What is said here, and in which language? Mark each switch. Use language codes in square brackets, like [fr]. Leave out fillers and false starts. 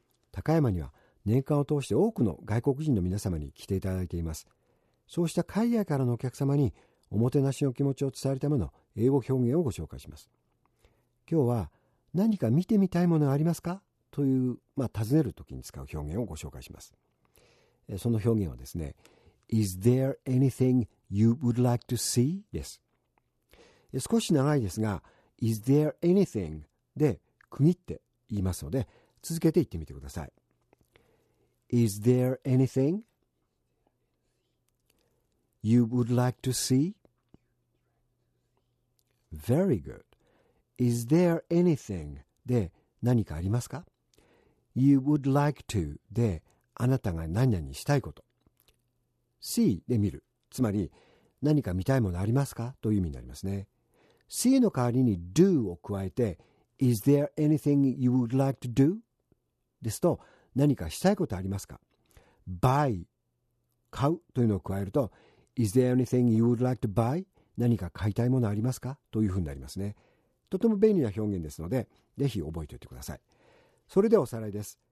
[ja] 高山には年間を通して多くの外国人の皆様に来ていただいています。そうした海外からのお客様におもてなしの気持ちを伝えるための英語表現をご紹介します。今日は何か見てみたいものありますかという、尋ねるときに使う表現をご紹介します。その表現はですね、 [en] Is there anything you would like to see? [ja] です。少し長いですが、 [en] Is there anything? [ja] で区切って言いますので、続けて言ってみてください。 [en] Is there anything you would like to see? Very good. Is there anything? [ja] で何かありますか? [en] You would like to? [ja] で、あなたが何々したいこと。 See? で見る。つまり、何か見たいものありますか?という意味になりますね。 [en] See [ja] の代わりに [en] do [ja] を加えて [en] Is there anything you would like to do? [ja] ですと何かしたいことありますか? [en] Buy [ja] 買うというのを加えると [en] Is there anything you would like to buy? [ja] 何か買いたいものありますか?というふうになりますね。とても便利な表現ですのでぜひ覚えておいてください。それではおさらいです。